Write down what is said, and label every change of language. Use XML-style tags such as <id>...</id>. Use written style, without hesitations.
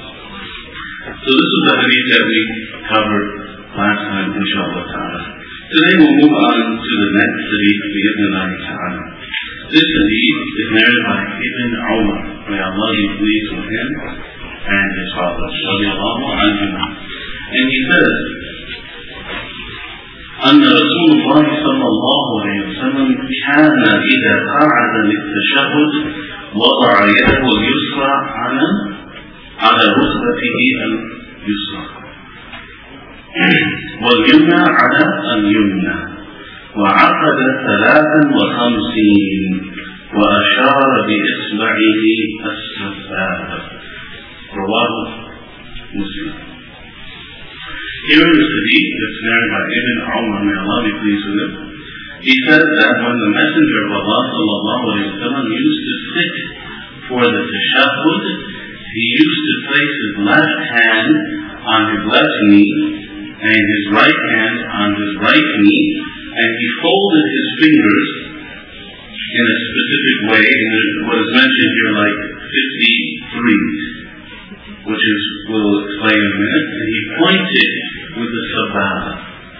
<en>So this is the hadith that we covered last time, inshallah ta'ala. Today we'll move on to the next hadith, the Ibn Abi Ta'ala. This hadith is narrated by Ibn Umar, may Allah be pleased with him and his father, radiallahu anhu. And he says,</en> <ar>أن رسول الله صلى الله عليه وسلم كان إذا قعد للتشهد وضع يده اليسرى على ركبته اليسرى. واليمنى على اليمنى وعقد ثلاثا وخمسين وأشار بإصبعه السفاح رواه مسلم.</ar> <en>Here is the hadith that's narrated by Ibn Umar, may Allah be pleased with him. He said that when the Messenger of Allah sallallahu alayhi wa sallam used to sit for the tashahhud, he used to place his left hand on his left knee and his right hand on his right knee, and he folded his fingers in a specific way, and what is mentioned here like 53, which is, we'll explain in a minute, and he pointed with the sabada.</en>